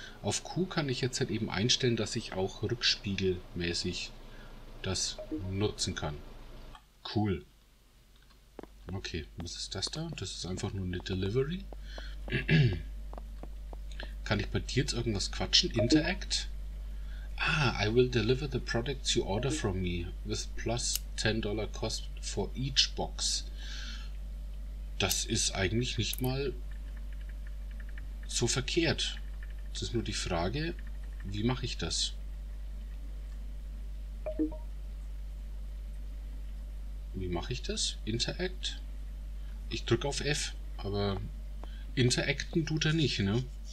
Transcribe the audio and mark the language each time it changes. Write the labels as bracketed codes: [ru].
[de] Auf Q kann ich jetzt halt eben einstellen, dass ich auch rückspiegelmäßig das nutzen kann. Cool. Okay, was ist das da? Das ist einfach nur eine Delivery. Kann ich bei dir jetzt irgendwas quatschen? [en] Interact? Ah, I will deliver the products you order from me with plus $10 cost for each box. [de] Das ist eigentlich nicht mal so verkehrt. Es ist nur die Frage, wie mache ich das? Wie mache ich das? Interact? Ich drücke auf F, aber interacten tut er nicht, ne?